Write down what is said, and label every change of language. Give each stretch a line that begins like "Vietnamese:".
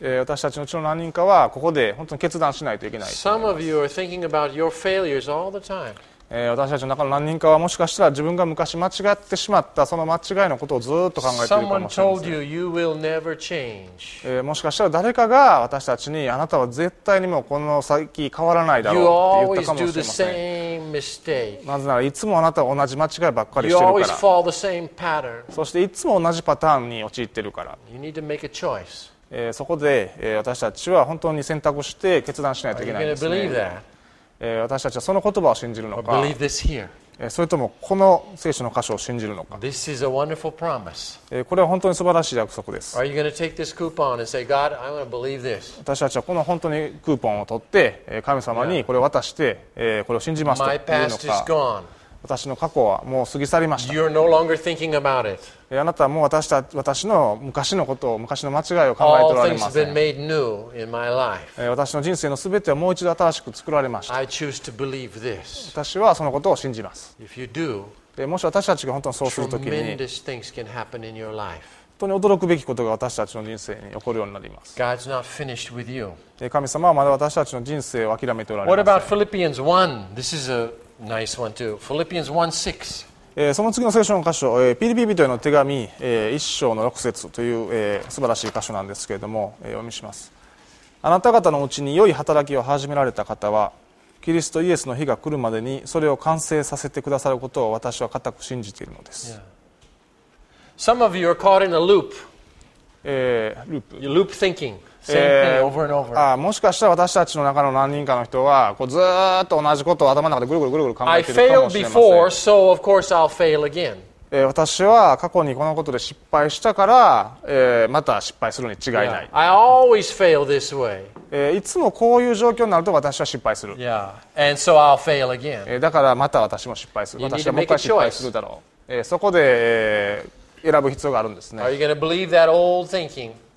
Japanese: 私たちのうちの何人かはここで本当に決断しないといけない。
English: Some of you are thinking about your failures all the time.
Japanese: 私たちの中の何人かはもしかしたら自分が昔間違ってしまったその間違いのことをずっと考えているかもしれません。
English: Someone told you you will never change.
Japanese: もしかしたら誰かが私たちにあなたは絶対にもこの先変わらないだろうって言ったかもしれません。
English: You always do the same mistake.
Japanese: なぜならいつもあなたは同じ間違いばっかりしてるから。
English: You always fall the same pattern.
Japanese: そしていつも同じパターンに陥ってるから。
English: You need to make a choice.
Japanese: そこで、私たちは本当に選択して決断しないといけないんですね。私たちはその言葉を信じるのか、それともこの聖書の箇所を信じるのか。
English: This is a wonderful promise.
Japanese: これは本当に素晴らしい約束です。私たちはこの本当にクーポンを取って神様にこれを渡して、これを信じますというのか。
English: My past is gone.
Japanese: 私の過去はもう過ぎ去りました。
English: You're no longer thinking about it.
Japanese: あなたはもう 私の昔のことを、昔の間違いを考えておられません。
English: All things have been made new in my life.
Japanese: 私の人生のすべてはもう一度新しく作られました。
English: I choose to believe this.
Japanese: 私はそのことを信じます。
English: If you do,
Japanese: もし私たちが本当にそうするときに、
English: tremendous things can happen in your life.
Japanese: 本当に驚くべきことが私たちの人生に起こるようになります。
English: God's not finished with you.
Japanese: 神様はまだ私たちの人生を諦めておられません。
English: What about Philippians 1? This is aNice one too. Philippians 1:6.
Japanese: その次の聖書の箇所、ピリピ人への手紙、1章の6節という、素晴らしい箇所なんですけれども、読みします。あなた方のうちに良い働きを始められた方は、キリストイエスの日が来るまでにそれを完成させてくださることを私は固く信じているのです。
English: Some of you are caught in a loop. loop thinking. Same thing over and over.
Japanese: もしかしたら私たちの中の何人かの人はこうずっと同じことを頭の中でぐるぐるぐるぐる考えているかもしれません。
English: I failed before, so of course I'll fail again.
Japanese: 私は過去にこのことで失敗したから、また失敗するに違いない。
English: Yeah. I always fail this way.
Japanese: いつもこういう状況になると私は失敗する。
English: Yeah. And so I'll fail again.
Japanese: だからまた私も失敗する。
English: You need to make a choice.
Japanese: 私はもう一回失敗するだろう。そこで、選ぶ必要があるんですね。
English: Are you going to believe that old thinking?